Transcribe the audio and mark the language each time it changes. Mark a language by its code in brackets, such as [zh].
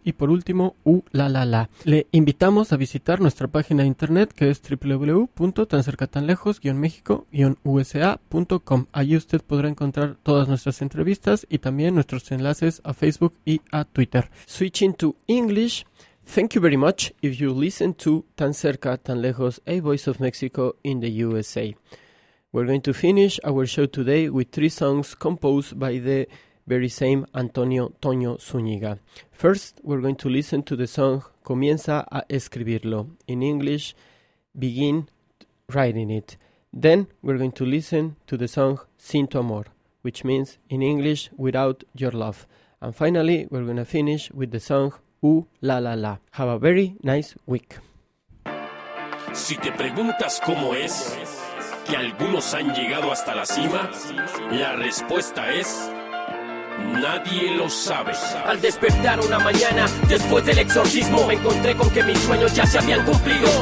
[es] Y por último, La La La. Le invitamos a visitar nuestra página de internet, que es www.tancercatanlejos-mexico-usa.com. Allí usted podrá encontrar todas nuestras entrevistas y también nuestros enlaces a Facebook y a Twitter. [en] Switching to English. Thank you very much if you listen to Tan Cerca, Tan Lejos, A Voice of Mexico in the USA. We're going to finish our show today with three songs composed by the very same Antonio Toño Zúñiga. First, we're going to listen to the song Comienza a Escribirlo. In English, Begin Writing It. Then, we're going to listen to the song Sin Tu Amor, which means, in English, Without Your Love. And finally, we're going to finish with the song La la la. Have a very nice week. [es] Si te preguntas cómo es que algunos han llegado hasta la cima, la respuesta es: nadie lo sabe. Al despertar una mañana después del exorcismo, me encontré con que mis sueños ya se habían cumplido.